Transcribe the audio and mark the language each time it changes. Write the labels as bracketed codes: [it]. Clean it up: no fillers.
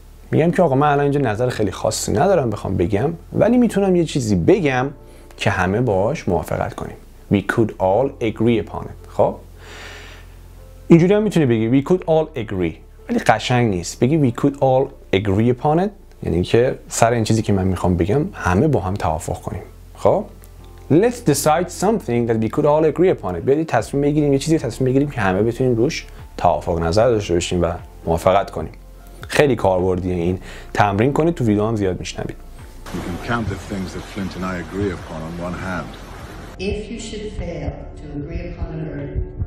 [fa] میگم که آقا من الان اینجا نظر خیلی خاصی ندارم بخوام بگم، ولی میتونم یه چیزی بگم که همه باهاش موافقت کنیم. [en] We could all agree upon it. [fa] خب اینجوری هم میتونی بگی [en] We could all agree، [fa] ولی قشنگ نیست. بگی [en] We could all agree upon it، [fa] یعنی که سر این چیزی که من میخوام بگم همه با هم توافق کنیم. [en] خب Let's decide something that we could all agree upon it. [fa] بیایید تصمیم بگیریم، یه چیزی تصمیم بگیریم که همه بتونیم روش توافق نظر داشته باشیم و موافقت کنیم. خیلی کاربردیه این. تمرین کنید، تو ویدیو هم زیاد میشنوید. [en] You can count the things that Flint and I agree upon on one hand. If you should fail to agree upon an earning.